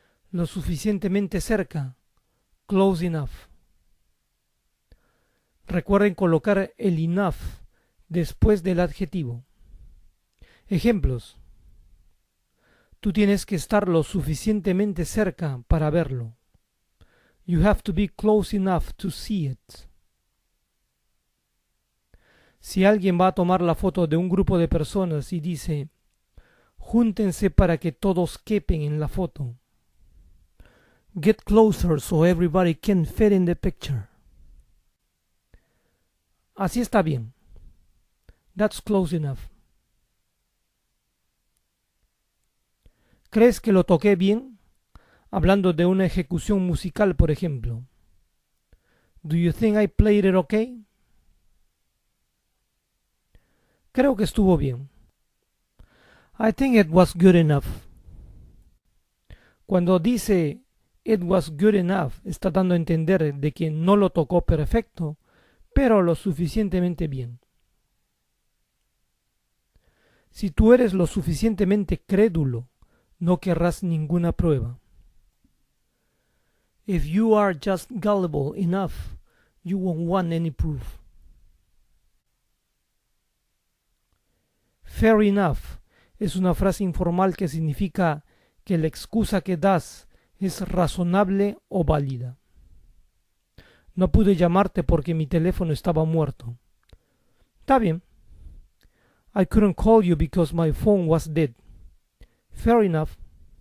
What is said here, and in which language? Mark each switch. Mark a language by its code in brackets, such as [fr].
[es] Lo suficientemente cerca, [en] close enough. [es] Recuerden colocar el enough después del adjetivo. Ejemplos. Tú tienes que estar lo suficientemente cerca para verlo. [en] You have to be close enough to see it. [es] Si alguien va a tomar la foto de un grupo de personas y dice, júntense para que todos quepen en la foto. [en] Get closer so everybody can fit in the picture. [es] Así está bien. [en] That's close enough. [es] ¿Crees que lo toqué bien? Hablando de una ejecución musical, por ejemplo. [en] Do you think I played it okay? [es] Creo que estuvo bien. [en] I think it was good enough. [es] Cuando dice [en] it was good enough, [es] está dando a entender de que no lo tocó perfecto, pero lo suficientemente bien. Si tú eres lo suficientemente crédulo, no querrás ninguna prueba. [en] If you are just gullible enough, you won't want any proof. Fair enough [es] es una frase informal que significa que la excusa que das es razonable o válida. No pude llamarte porque mi teléfono estaba muerto. Está bien. [en] I couldn't call you because my phone was dead. Fair enough.